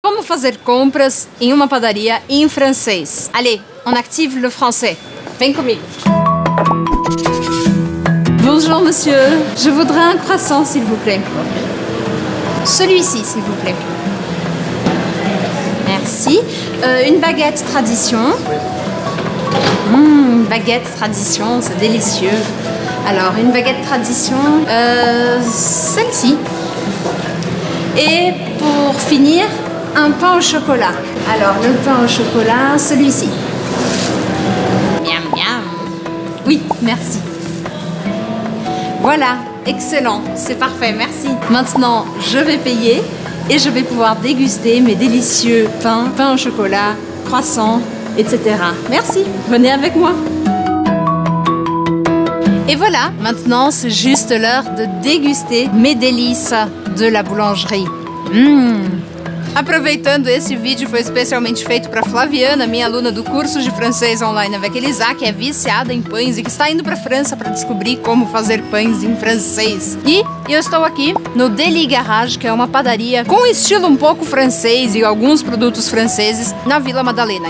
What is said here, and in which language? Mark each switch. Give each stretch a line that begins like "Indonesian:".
Portuguese: Como fazer compras em uma padaria em francês?
French: Allez, on active le français.
Portuguese: Vem comigo.
French: Bonjour, monsieur. Je voudrais un croissant, s'il vous plaît. Celui-ci, s'il vous plaît. Merci. Une baguette tradition. Baguette tradition, c'est délicieux. Alors, une baguette tradition, celle-ci. Et pour finir, un pain au chocolat. Alors, le pain au chocolat, celui-ci. Miam, miam. Oui, merci. Voilà, excellent, c'est parfait, merci. Maintenant, je vais payer et je vais pouvoir déguster mes délicieux pains, pain au chocolat, croissants, etc. Merci, venez avec moi. Et voilà, maintenant c'est juste l'heure de déguster mes délices de la boulangerie.
Portuguese: Aproveitando, esse vídeo foi especialmente feito para Flaviana, minha aluna do curso de francês online avec Elisa, que é viciada em pães e que está indo para França para descobrir como fazer pães em francês. E eu estou aqui no Deli Garage, que é uma padaria com estilo um pouco francês e alguns produtos franceses na Vila Madalena.